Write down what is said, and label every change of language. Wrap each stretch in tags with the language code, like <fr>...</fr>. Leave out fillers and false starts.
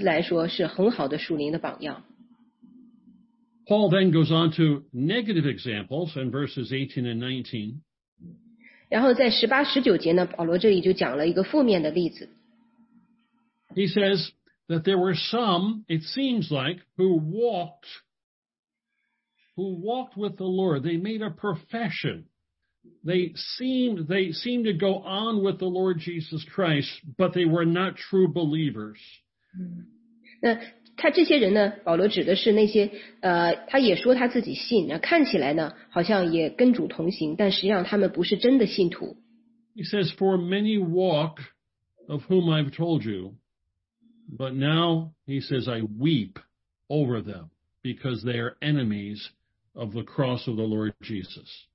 <zh>所以父亲呢，对儿子来说是很好的属灵的榜样。</zh> <en>Paul then goes on to negative examples in verses 18 and 19.</en> <zh>然后在18、19节呢, 保罗这里就讲了一个负面的例子。</zh> <en>He says that there were some, it seems like, who walked with the Lord. They made a profession. They seemed to go on with the Lord Jesus Christ, but they were not true believers.</en> <zh>他这些人呢，保罗指的是那些，他也说他自己信，看起来呢，好像也跟主同行，但实际上他们不是真的信徒。</zh> <en>He says, "For many walk, of whom I've told you, but now he says I weep over them because they are enemies of the cross of the Lord Jesus."</en>